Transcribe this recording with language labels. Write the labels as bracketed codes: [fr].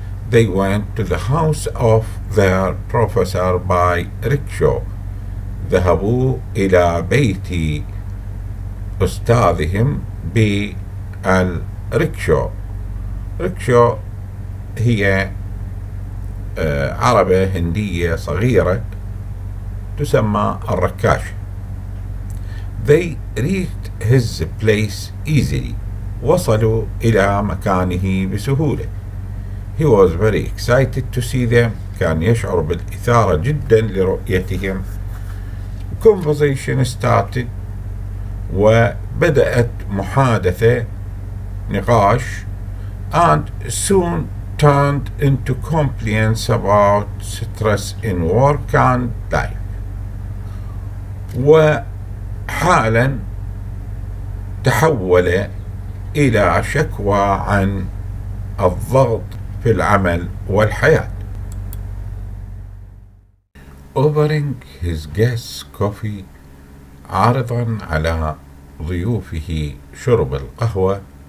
[en] They went to the house of their professor by rickshaw. [ar] ذهبوا إلى بيت أستاذهم بالريكشو. ريكشو هي عربة هندية صغيرة تسمى الركاش. [en] They reached his place easily. [ar] وصلوا إلى مكانه بسهولة. [en] He was very excited to see them. [ar] كان يشعر بالإثارة جدا لرؤيتهم. [en] Conversation started. [ar] وبدأت محادثة نقاش. [en] And soon turned into complaints about stress in work and life. [ar] وحالا تحول إلى شكوى عن الضغط في العمل والحياة. [en] Offering his guests coffee, [ar] عارضا على ضيوفه شرب القهوة.